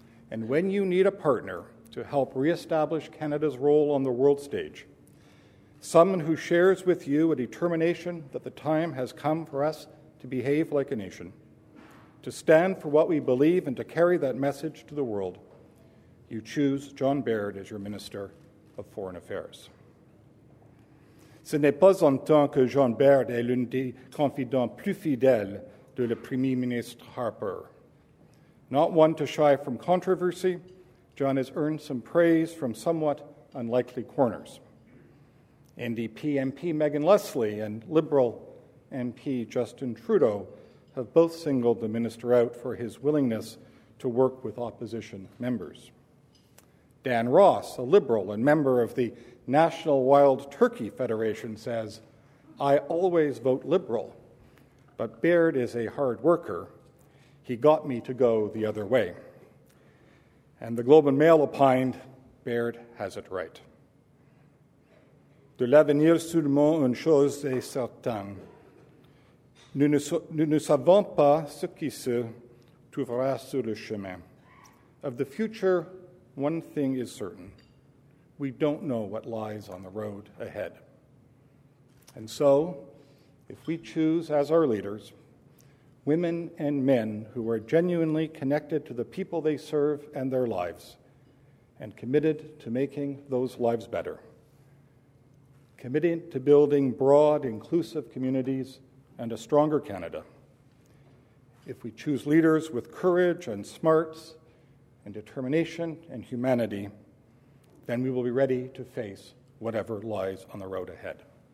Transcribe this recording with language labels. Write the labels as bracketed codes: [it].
[en] And when you need a partner to help re-establish Canada's role on the world stage, someone who shares with you a determination that the time has come for us to behave like a nation, to stand for what we believe and to carry that message to the world, you choose John Baird as your Minister of Foreign Affairs. [fr] Ce n'est pas en tant que John Baird est l'un des confidants plus fidèles de le Premier ministre Harper. [en] Not one to shy from controversy, John has earned some praise from somewhat unlikely corners. NDP MP Megan Leslie and Liberal MP Justin Trudeau have both singled the minister out for his willingness to work with opposition members. Dan Ross, a Liberal and member of the National Wild Turkey Federation, says, "I always vote Liberal, but Baird is a hard worker. He got me to go the other way." And the Globe and Mail opined, "Baird has it right." [fr] De l'avenir seulement une chose est certaine. Nous ne savons pas ce qui se trouvera sur le chemin. [en] Of the future, one thing is certain. We don't know what lies on the road ahead. And so, if we choose as our leaders women and men who are genuinely connected to the people they serve and their lives, and committed to making those lives better, committed to building broad, inclusive communities and a stronger Canada, if we choose leaders with courage and smarts and determination and humanity, then we will be ready to face whatever lies on the road ahead.